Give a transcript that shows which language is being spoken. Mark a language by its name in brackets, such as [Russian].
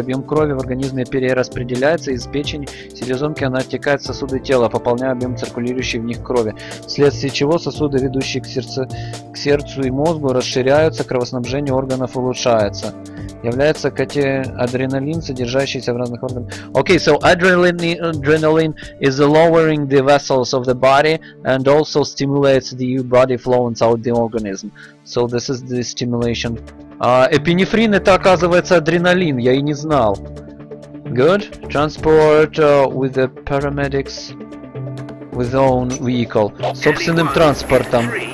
[Russian] Объем крови в организме перераспределяется из печени. Селезенки она оттекает в сосуды тела, пополняя объем циркулирующей в них крови. Вследствие чего сосуды, ведущие к сердцу и мозгу, расширяются, кровоснабжение органов улучшается. Является адреналин, содержащийся в разных органах. [English] Okay, so adrenaline is lowering the vessels of the body and also stimulates the body flow inside the organism. So this is the stimulation. [Russian] Эпинефрин это оказывается адреналин, я и не знал. [English] Good. Transport with the paramedics with own vehicle. [Russian] Собственным транспортом.